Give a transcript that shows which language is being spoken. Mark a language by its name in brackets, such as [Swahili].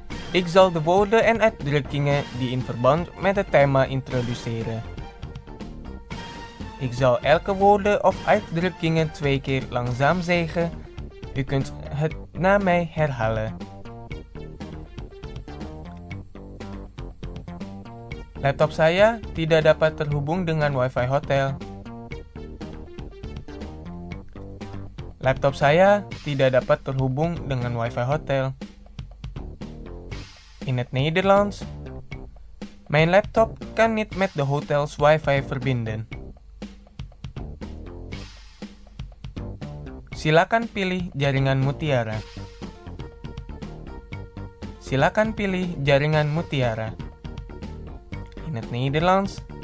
[Dutch] Ik zal de woorden en uitdrukkingen die in verband met het thema introduceren. Ik zal elke woorden of uitdrukkingen 2 keer langzaam zeggen. U kunt het na mij herhalen. [Indonesian] Laptop saya tidak dapat terhubung dengan wifi hotel. Laptop saya tidak dapat terhubung dengan wifi hotel. [Dutch] In het Nederlands. Mijn laptop kan niet met de hotel's wifi verbinden. [Indonesian] Silakan pilih jaringan mutiara. Silakan pilih jaringan mutiara. [Dutch] In het Nederlands.